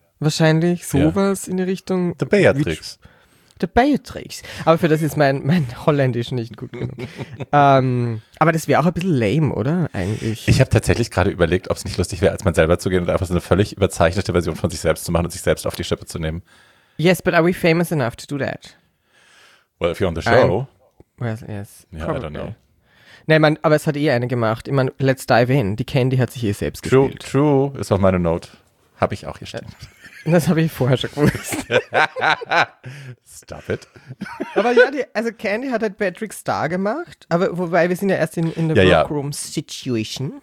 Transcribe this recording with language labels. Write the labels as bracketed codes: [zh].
[de] Wahrscheinlich sowas in die Richtung. [en] The Beatrix. [de] Aber für das ist mein Holländisch nicht gut genug. aber das wäre auch ein bisschen lame, oder? Eigentlich. Ich habe tatsächlich gerade überlegt, ob es nicht lustig wäre, als man selber zu gehen und einfach so eine völlig überzeichnete Version von sich selbst zu machen und sich selbst auf die Schippe zu nehmen. [en] Yes, but are we famous enough to do that? Well, if you're on the show. Well, yes. Yeah, probably. I don't know. [de] Nein, aber es hat eh eine gemacht. Ich meine, [en] let's dive in. [de] Die Candy hat sich eh selbst gespielt. True, ist auch meine Note. Habe ich auch gestimmt. Das habe ich vorher schon gewusst. [en] Stop it. [de] Aber ja, also Candy hat halt Patrick Star gemacht. Aber wobei, wir sind ja erst in der Workroom Situation.